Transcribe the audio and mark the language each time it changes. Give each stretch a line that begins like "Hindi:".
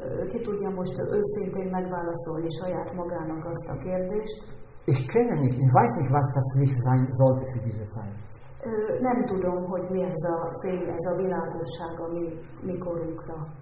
Hungarian: Ki tudja most őszintén megválaszolni saját magának azt a kérdést?
German: Ich kenne nicht, ich weiß nicht, was das Licht sein sollte für diese Zeit.
Hungarian: Nem tudom, hogy mi ez a fény, ez a világosság a mi korunkra.